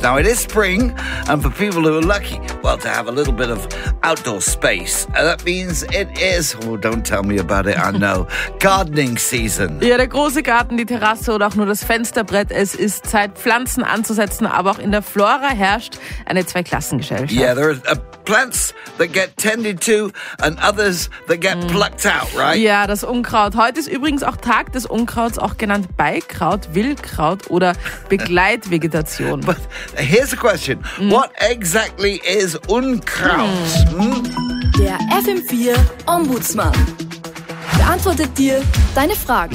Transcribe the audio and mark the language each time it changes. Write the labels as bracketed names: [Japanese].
[English] Now, it is spring, and for people who are lucky, well, to have a little bit of outdoor space, that means it is, oh, don't tell me about it, I know, gardening season. [German] Ja, der große Garten, die Terrasse oder auch nur das Fensterbrett, es ist Zeit, Pflanzen anzusetzen, aber auch in der Flora herrscht eine Zweiklassengesellschaft. [English] Yeah, there are plants that get tended to and others that get plucked out, right? [German] Ja, das Unkraut. Heute ist übrigens auch Tag des Unkrauts, auch genannt Beikraut, Wildkraut oder Begleitvegetation. [English] But here's a question. What exactly is Unkraut? [German] Der FM4 Ombudsmann beantwortet dir deine Frage.